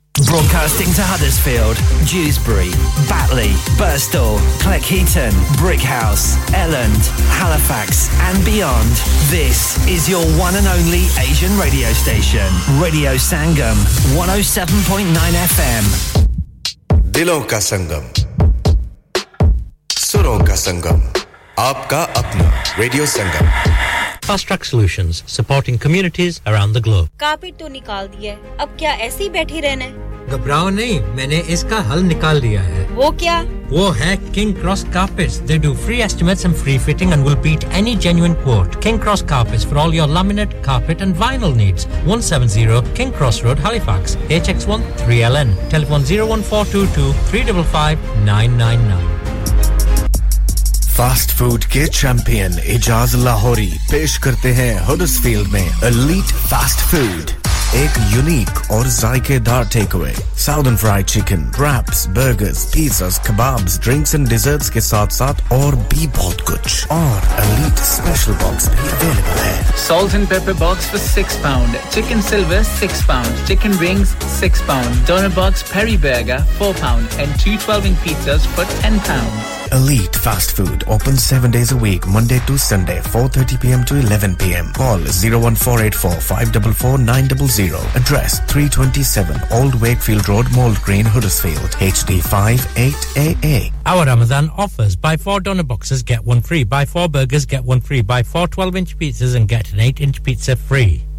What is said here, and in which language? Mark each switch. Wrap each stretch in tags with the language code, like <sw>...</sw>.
<en>Broadcasting to Huddersfield, Dewsbury, Batley, Birstall, Cleckheaton, Brickhouse, Elland, Halifax and beyond. This is your one and only Asian radio station. Radio Sangam, 107.9 FM.</en> <hi>दिलों का संगम, सुरों का संगम, आपका अपना radio Sangam.</hi> <en>Fast Track Solutions, supporting communities around the globe.</en> <hi>Carpet तो निकाल दिया है, अब क्या ऐसे ही बैठे रहना है? घबराओ नहीं, मैंने इसका हल निकाल दिया है. वो क्या? वो है</hi> <en>King Cross Carpets. They do free estimates and free fitting and will beat any genuine quote. King Cross Carpets for all your laminate, carpet and vinyl needs. 170 King Cross Road, Halifax. HX1 3LN. Telephone 01422 355 999.</en> <hi>Fast food के champion Ijaz Lahori पेश करते हैं Huddersfield में elite fast food एक unique और जायकेदार take away southern fried chicken raps burgers pizzas kebabs drinks and desserts के साथ-साथ और भी बहुत कुछ और एलीट स्पेशल बॉक्स भी अवेलेबल है</hi> <en>Salt and pepper box for 6 pound chicken silver 6 pound chicken rings 6 pound doner box peri burger 4 pound and 2 12 inch pizzas for 10 pound Elite Fast Food, open 7 days a week, Monday to Sunday, 4:30 p.m. to 11 p.m. Call 01484-544-900. Address 327 Old Wakefield Road, Mould Green, Huddersfield, HD58AA. Our Ramadan offers, buy 4 donor boxes, get 1 free, buy 4 burgers, get 1 free, buy 4 12-inch pizzas and get an 8-inch pizza free.</en>